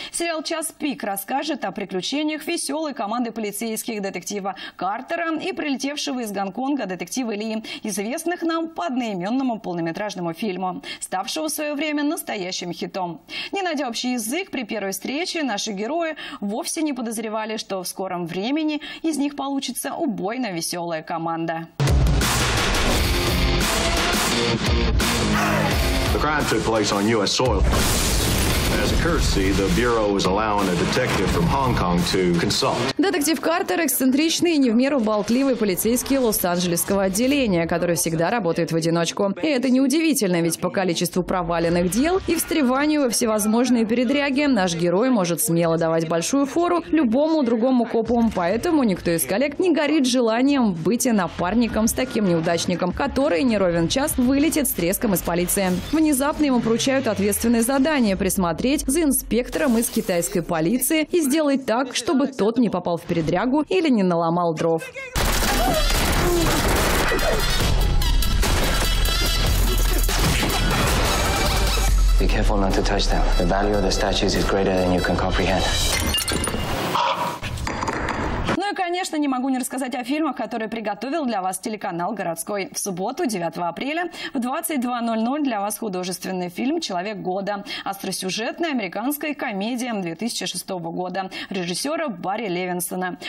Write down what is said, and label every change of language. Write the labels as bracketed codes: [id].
[ru] Сериал «Час пик» расскажет о приключениях веселой команды полицейских детектива Картера и прилетевшего из Гонконга детектива Ли, известного нам по одноименному полнометражному фильму, ставшего в свое время настоящим хитом. Не найдя общий язык, при первой встрече наши герои вовсе не подозревали, что в скором времени из них получится убойно веселая команда. [en] The crime took place on US soil. As a courtesy, the Bureau is allowing a detective from Hong Kong to consult. [ru] Детектив Картер – эксцентричный и не в меру болтливый полицейский лос-анджелесского отделения, который всегда работает в одиночку. И это неудивительно, ведь по количеству проваленных дел и встреванию во всевозможные передряги наш герой может смело давать большую фору любому другому копу. Поэтому никто из коллег не горит желанием быть напарником с таким неудачником, который не ровен час вылетит с треском из полиции. Внезапно ему поручают ответственное задание – присмотреть за инспектором из китайской полиции и сделать так, чтобы тот не попал в передрягу или не наломал дров. [en] Be careful not to touch them. The value of the statues is greater than you can comprehend. [ru] Ну и, конечно, не могу не рассказать о фильмах, которые приготовил для вас телеканал «Городской». В субботу, 9 апреля, в 22:00 для вас художественный фильм «Человек года». Остросюжетная американская комедия 2006 года режиссера Барри Левинсона.